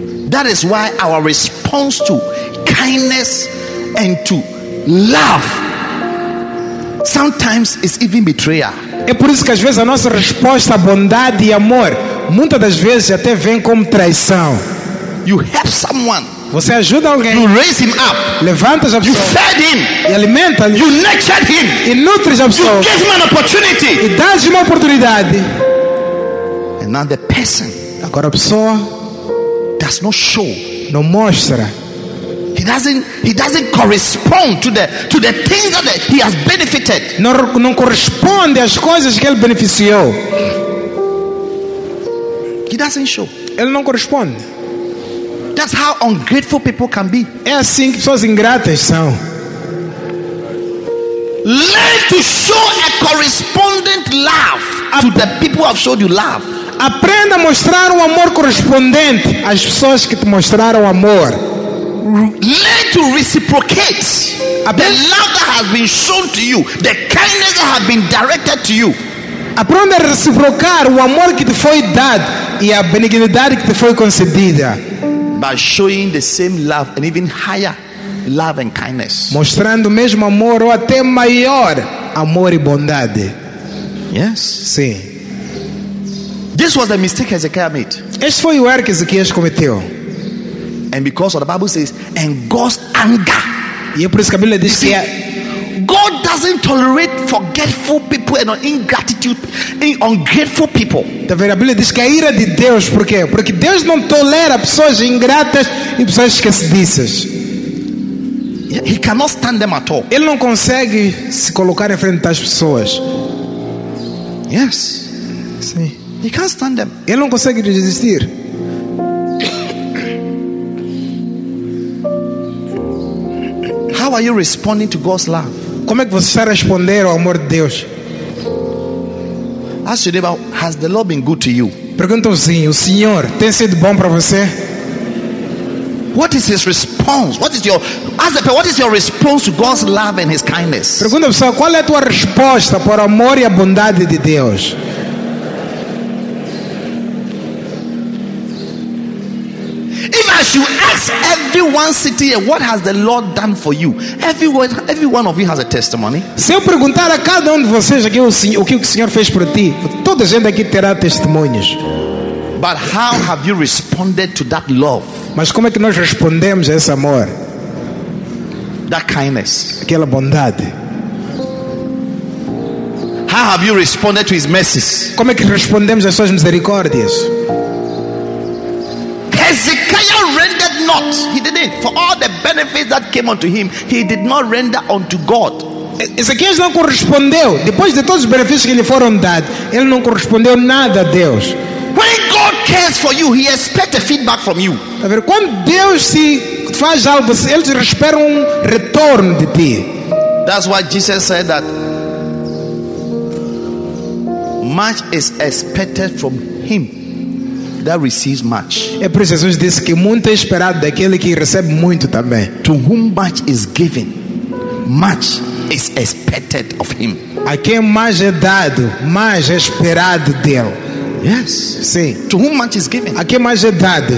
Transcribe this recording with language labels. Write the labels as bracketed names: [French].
[English] That is why our response to kindness and to love sometimes is even betrayal. [Portuguese] É por isso que às vezes a nossa resposta à bondade e amor muitas das vezes até vem como traição. [English] You help someone. [Portuguese] Você ajuda alguém. [English] You raise him up. [Portuguese] Levantas a pessoa. [English] You fed him. [Portuguese] E alimenta-lhe. [English] You nurtured him. [Portuguese] E nutres a pessoa. [English] You gave him an opportunity. [Portuguese] E dás-lhe uma oportunidade. [English] And now the person, [Portuguese] agora a pessoa, [English] does not show. [Portuguese] Não mostra. [English] He doesn't correspond to the things that he has benefited. [Portuguese] Não corresponde às coisas que ele beneficiou. [English] He doesn't show. [Portuguese] Ele não corresponde. [English] That's how ungrateful people can be. [Portuguese] É assim que pessoas ingratas são. [English] Learn to show a correspondent love to the people who have showed you love. [Portuguese] Aprenda a mostrar um amor correspondente às pessoas que te mostraram amor. [English] Learn to reciprocate the love that has been shown to you, the kindness that has been directed to you. [Portuguese] Aprenda a reciprocar o amor que te foi dado e a benignidade que te foi concedida. [English] By showing the same love and even higher love and kindness. [Portuguese] Mostrando o mesmo amor ou até maior amor e bondade. [English] Yes. [Portuguese] Sim. [English] This was the mistake Hezekiah made. [Portuguese] Este foi o erro que Ezequias cometeu. [English] And because of the Bible says, and God's anger. [Portuguese] E por isso que a Bíblia diz que [English] God doesn't tolerate forgetful people and ingratitude and ungrateful people. [Portuguese] Então, a Bíblia diz que a ira de Deus, por quê? Porque Deus não tolera pessoas ingratas e pessoas esquecidas. [English] He cannot stand them at all. [Portuguese] Ele não consegue se colocar em frente às pessoas. [English] Yes. [Portuguese] Sim. [English] He can't stand them. [Portuguese] Ele não consegue resistir. [English] How are you responding to God's love? [Portuguese] Como é que você está a responder ao amor de Deus? [English] Ask your neighbor, has the Lord been good to you? [Portuguese] Pergunta assim, o Senhor tem sido bom para você? [English] What is His response? What is your response to God's love and His kindness? [Portuguese] Pergunta só, qual é a tua resposta para o amor e a bondade de Deus? [English] If I should ask every one city here, what has the Lord done for you? Every one of you has a testimony. [Portuguese] Se eu perguntar a cada de vocês aqui o que o Senhor fez por ti, toda a gente aqui terá testemunhos. [English] But how have you responded to that love? [Portuguese] Mas como é que nós respondemos a esse amor? [English] That kindness. [Portuguese] Aquela bondade. [English] How have you responded to his mercies? [Portuguese] Como é que respondemos às suas misericórdias? [English] Hezekiah rendered not. He didn't. For all the benefits that came unto him, he did not render unto God. [Portuguese] Ezequias não correspondeu. Depois de todos os benefícios que lhe foram dados, ele não correspondeu nada a Deus. [English] When God cares for you, he expects a feedback from you. [Portuguese] Quando Deus se faz algo, ele te espera retorno de ti. [English] That's why Jesus said that much is expected from him that receives much. [Portuguese] É por isso que Jesus disse que muito é esperado daquele que recebe muito também. [English] To whom much is given, much is expected of him. [Portuguese] A quem mais é dado, mais é esperado dele. [English] Yes. [Portuguese] Sim. [English] To whom much is given? [Portuguese] A quem mais é dado?